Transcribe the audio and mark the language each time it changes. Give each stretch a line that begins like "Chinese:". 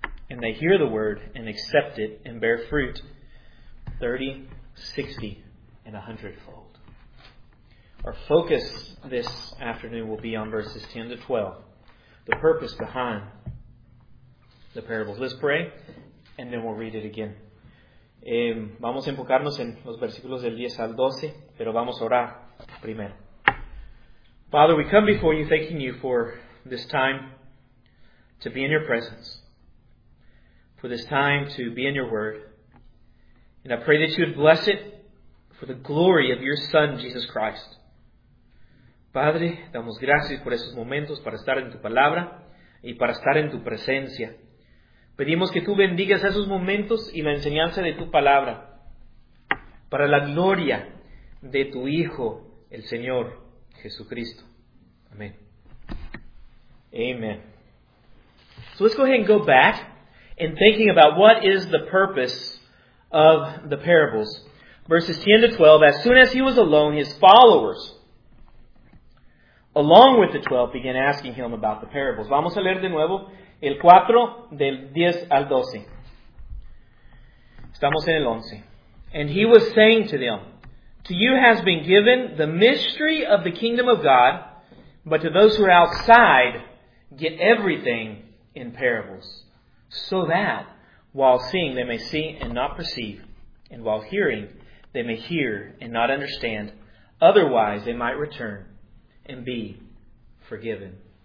English: And they hear the word and accept it and bear fruit 30, 60, and 100-fold. Our focus this afternoon will be on verses 10 to 12. The purpose behind the parables. Let's pray, and then we'll read it again.
Spanish: Vamos a enfocarnos en los versículos del 10 al 12, pero vamos a orar primero.
English: Father, we come before you thanking you for this time to be in your presence, for this time to be in your word. And I pray that you would bless it for the glory of your Son, Jesus Christ.
Spanish: Padre, damos gracias por esos momentos para estar en tu palabra y para estar en tu presencia. Pedimos que tú bendigas esos momentos y la enseñanza de tu palabra para la gloria de tu Hijo, el Señor Jesucristo. Amén. Amen.
English: So let's go ahead and go back and thinking about what is the purpose of the parables. Verses 10 to 12, as soon as he was alone, his followers, along with the 12, began asking him about the parables.
Spanish: Vamos a leer de nuevo el 4 del 10 al 12. Estamos en el 11.
English: And he was saying to them, "To you has been given the mystery of the kingdom of God, but to those who are outside, get everything in parables, so that while seeing they may see and not perceive, and while hearing they may hear and not understand, otherwise they might return and be forgiven."